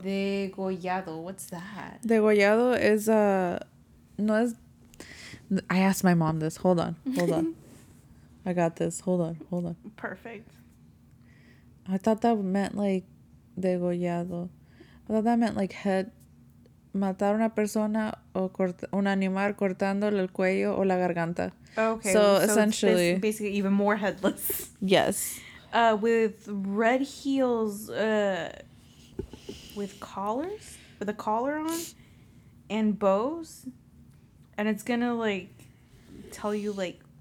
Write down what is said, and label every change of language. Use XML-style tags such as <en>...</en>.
<en>Degollado. What's that? Degollado is a.</en> <es>No, es.</es> <en>I asked my mom this. Hold on. Hold on. I got this. Hold on. Hold on. Perfect. I thought that meant like. Degollado. I thought that meant like head.</en> <es>Matar una persona o un animal cortándole el cuello o la garganta.</es> <en>Okay. So essentially. It's basically even more headless. Yes. With red heels, with collars, with a collar on, and bows. And it's gonna, like, tell you, like,</en>